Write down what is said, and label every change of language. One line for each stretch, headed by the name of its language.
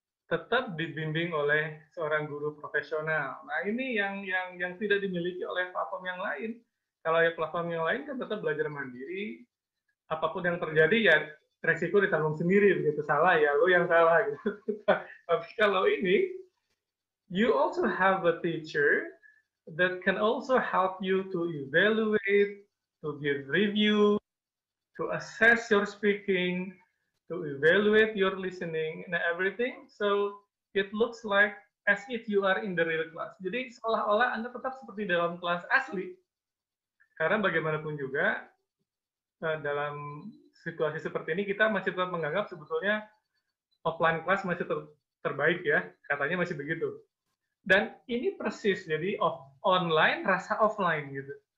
Indonesian: tetap dibimbing oleh seorang guru profesional. Nah, ini yang tidak dimiliki oleh platform yang lain. Kalau platform yang lain kan tetap belajar mandiri, apapun yang terjadi ya resiko ditanggung sendiri, begitu, salah ya lu yang salah gitu. Tapi kalau ini,
English: you also have a teacher that can also help you to evaluate, to give review, to assess your speaking, to evaluate your listening and everything. So it looks like as if you are in the real class.
Indonesian: Jadi seolah-olah Anda tetap seperti dalam kelas asli. Karena bagaimanapun juga, dalam situasi seperti ini kita masih tetap menganggap sebetulnya offline class masih terbaik ya, katanya masih begitu. Dan ini persis, jadi online rasa offline gitu.